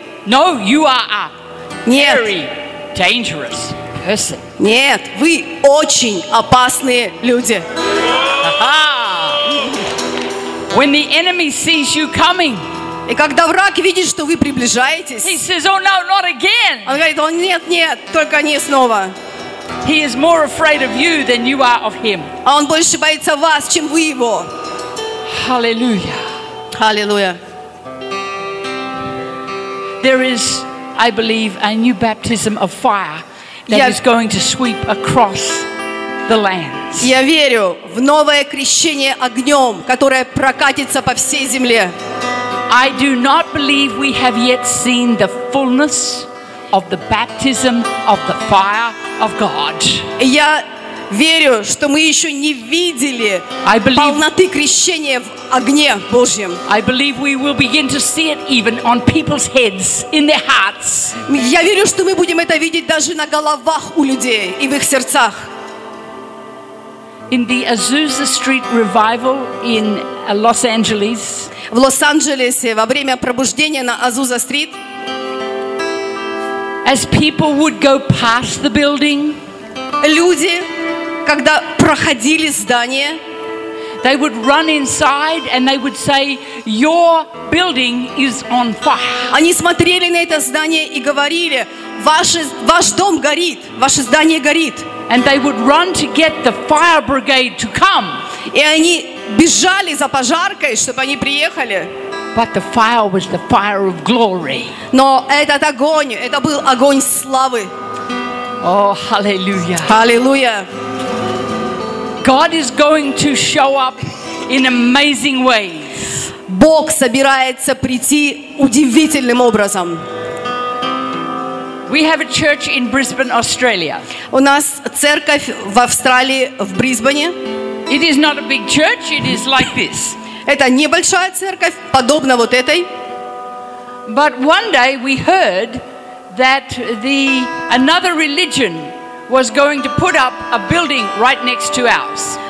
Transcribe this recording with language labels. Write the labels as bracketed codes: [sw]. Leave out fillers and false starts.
[en] No, you are a very dangerous person. [ru] Нет, вы очень опасные люди. [en] When the enemy sees you coming, [ru] и когда враг видит, что вы приближаетесь, [en] he says, "Oh no, not again!" [ru] Он говорит: "О нет, нет, только не снова." [en] He is more afraid of you than you are of him. [ru] А он больше боится вас, чем вы его. [en] Hallelujah. Hallelujah. There is, I believe, a new baptism of fire that is going to sweep across the land. [ru] Я верю в новое крещение огнем, которое прокатится по всей земле. [en] I do not believe we have yet seen the fullness of the baptism of the fire of God. [ru] Я верю, что мы еще не видели полноты крещения в огне Божьем. [en] I believe we will begin to see it even on people's heads, in their hearts. [ru] Я верю, что мы будем это видеть даже на головах у людей и в их сердцах. [en] In the Azusa Street revival in Los Angeles. [ru] В Лос-Анджелесе во время пробуждения на Азуза Стрит. [en] As people would go past the building, [ru] люди, когда проходили здание, [en] they would run inside and they would say, "Your building is on fire." [ru] Они смотрели на это здание и говорили: ваш дом горит, ваше здание горит. [en] And they would run to get the fire brigade to come. [ru] И они бежали за пожаркой, чтобы они приехали. [en] But the fire was the fire of glory. [ru] Но этот огонь, это был огонь славы. [en] Oh, hallelujah. Hallelujah. God is going to show up in amazing ways. [ru] Бог собирается прийти удивительным образом. [en] We have a church in Brisbane, Australia. [ru] У нас церковь в Австралии, в Брисбене. [en] It is not a big church, it is like this. [ru] Это небольшая церковь, подобно вот этой. [en] But one day we heard that another religion was going to put up a building right next to ours.